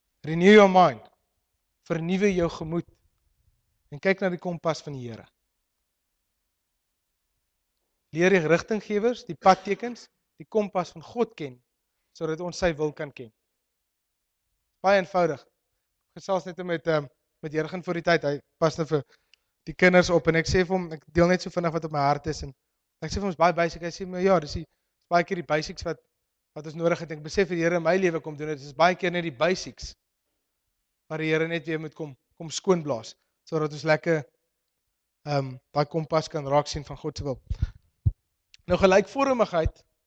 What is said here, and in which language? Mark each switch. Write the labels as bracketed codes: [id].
[en] Renew your mind. [af] Vernuwe jou gemoed en kyk na die kompas van die Here. Leer die rigtinggewers, die padtekens, die kompas van God ken sodat ons sy wil kan ken. Baie eenvoudig. Gesels net met Jurgen voor die tyd. Hy pas net vir die kinders op en ek sê vir hom, ek deel net so vinnig wat op my hart is en ek sê vir hom is baie basic, hy sê my ja, dis baie keer die basics wat ons nodig het, ek besef die Here in my lewe kom doen, dit is baie keer net die basics waar die Here net weer moet kom skoonblaas, so dat ons lekker daai kompas kan raak sien van God se wil. Nou gelykvormigheid